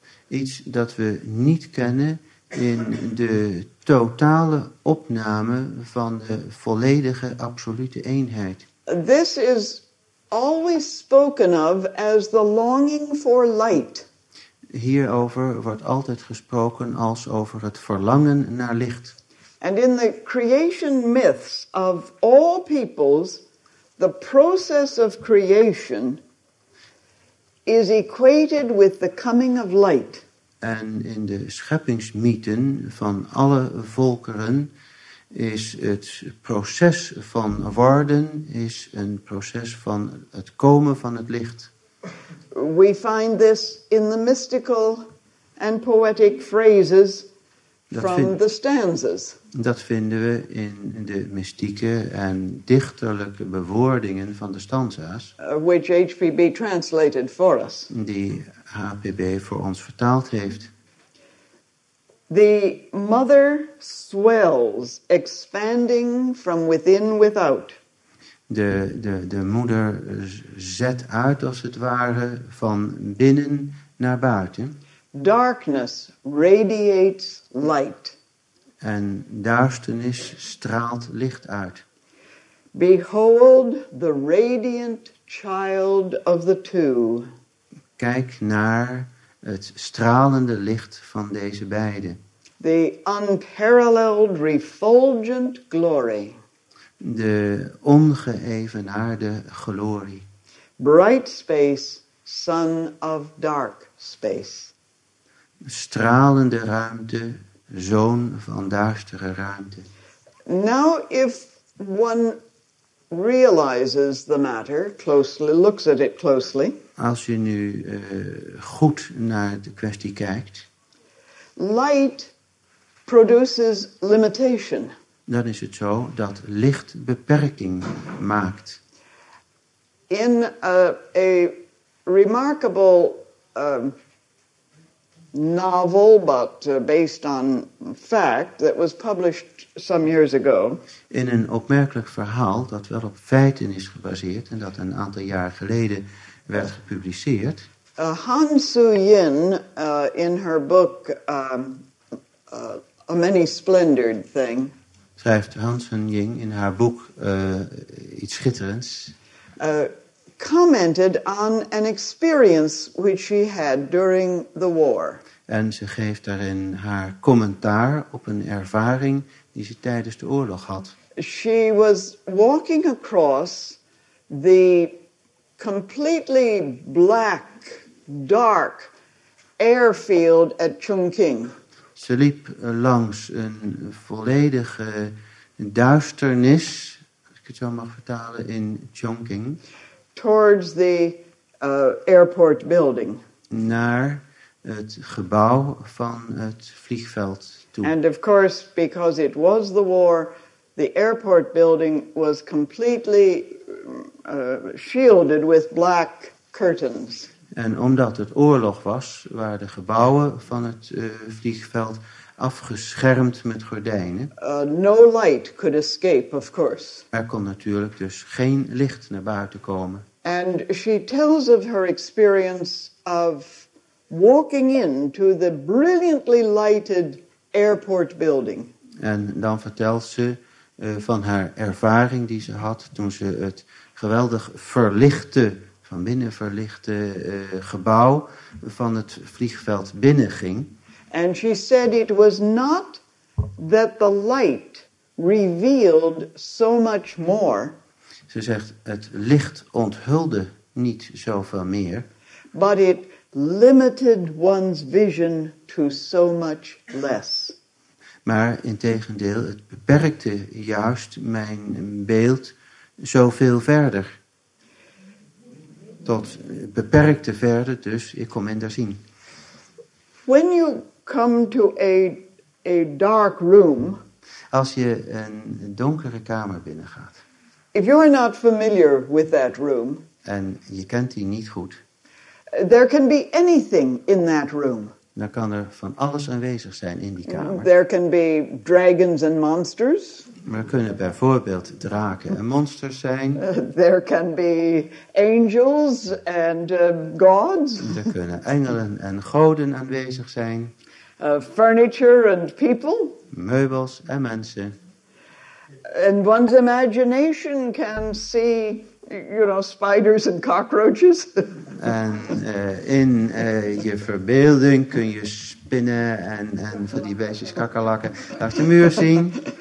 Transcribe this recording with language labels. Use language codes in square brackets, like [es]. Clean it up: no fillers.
[nl] Iets dat we niet kennen in de totale opname van de volledige absolute eenheid. [en] This is always spoken of as the longing for light. [nl] Hierover wordt altijd gesproken als over het verlangen naar licht. [en] And in the creation myths of all peoples, the process of creation is equated with the coming of light. [nl] En in de scheppingsmythen van alle volkeren is het proces van worden is een proces van het komen van het licht. [en] We find this in the mystical and poetic phrases from the stanzas. [nl] Dat vinden we in de mystieke en dichterlijke bewoordingen van de stanza's. [en] Which HPB translated for us. [nl] Die HPB voor ons vertaald heeft. [en] The mother swells, expanding from within without. [nl] De moeder zet uit als het ware van binnen naar buiten. [en] Darkness radiates light. [nl] En duisternis straalt licht uit. [en] Behold the radiant child of the two. [nl] Kijk naar het stralende licht van deze beide. [en] The unparalleled refulgent glory. [nl] De ongeëvenaarde glorie. [en] Bright space, son of dark space. [nl] Stralende ruimte, zoon van duistere ruimte. [en] Now if one realizes the matter closely, looks at it closely. [nl] Als je nu goed naar de kwestie kijkt. [en] Light produces limitation. [nl] Dan is het zo dat licht beperking maakt. [en] In a remarkable novel, but based on fact, that was published some years ago. [nl] In een opmerkelijk verhaal dat wel op feiten is gebaseerd en dat een aantal jaar geleden werd gepubliceerd. [en] Han Su-yin, in her book A Many Splendored Thing. [nl] Schrijft Han Su-yin in haar boek iets schitterends. [en] Commented on an experience which she had during the war. [nl] En ze geeft daarin haar commentaar op een ervaring die ze tijdens de oorlog had. [en] She was walking across the completely black, dark airfield at Chongqing. [nl] Ze liep langs een volledige duisternis, als ik het zo mag vertalen, in Chongqing. [en] Towards the airport building. [nl] naar het gebouw van het vliegveld toe. [en] And of course, because it was the war, the airport building was completely shielded with black curtains. [nl] En omdat het oorlog was, waren de gebouwen van het vliegveld afgeschermd met gordijnen. [en] No light could escape, of course. [nl] Er kon natuurlijk dus geen licht naar buiten komen. [en] And she tells of her experience of walking into the brilliantly lighted airport building. [nl] En dan vertelt ze van haar ervaring die ze had toen ze het geweldig verlichte, van binnen verlichte gebouw van het vliegveld binnenging. [en] And she said it was not that the light revealed so much more. [nl] Ze zegt het licht onthulde niet zoveel meer. [en] But it limited one's vision to so much less. [nl] Maar integendeel, het beperkte juist mijn beeld zoveel verder. Tot beperkte verder, dus ik kon minder zien. [en] When you come to a dark room. [nl] Als je een donkere kamer binnengaat. [en] If you are not familiar with that room. [nl] En je kent die niet goed. [en] There can be anything in that room. [nl] Dan kan er van alles aanwezig zijn in die kamer. [en] There can be dragons and monsters. [nl] Er kunnen bijvoorbeeld draken en monsters zijn. [en] There can be angels and gods. [nl] Er kunnen engelen en goden aanwezig zijn. [en] Furniture and people. [nl] Meubels en mensen. [en] And one's imagination can see, you know, spiders and cockroaches. [nl] En in je verbeelding kun je spinnen en van die beestjes kakkerlakken langs de muur zien.